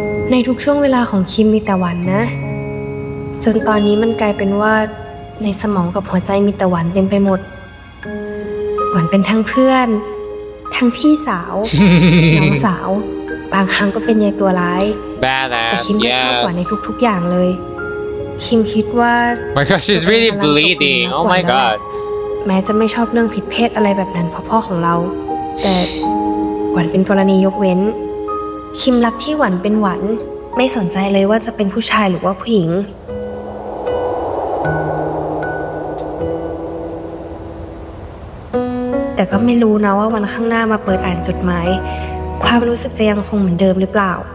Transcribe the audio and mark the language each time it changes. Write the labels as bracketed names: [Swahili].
[Thai] ในทุกช่วงเวลาของคิมมีแต่วันนะจนตอนนี้มันกลายเป็นว่าในสมองกับหัวใจมีแต่วันเต็มไปหมดวันเป็นทั้งเพื่อนทั้งพี่สาว น้องสาวบางครั้งก็เป็นยายตัวร้ายแต่ คิมก็ชอบกว่าในทุกๆอย่างเลยคิมคิดว่า [English] My gosh she's really bleeding oh my god [Thai] แม้จะไม่ชอบเรื่องผิดเพศอะไรแบบนั้นพ่อของเราแต่หวันเป็นกรณียกเว้นคิมรักที่หวันเป็นหวันไม่สนใจเลยว่าจะเป็นผู้ชายหรือว่าผู้หญิงแต่ก็ไม่รู้นะว่าวันข้างหน้ามาเปิดอ่านจดหมายความรู้สึกจะยังคงเหมือนเดิมหรือเปล่า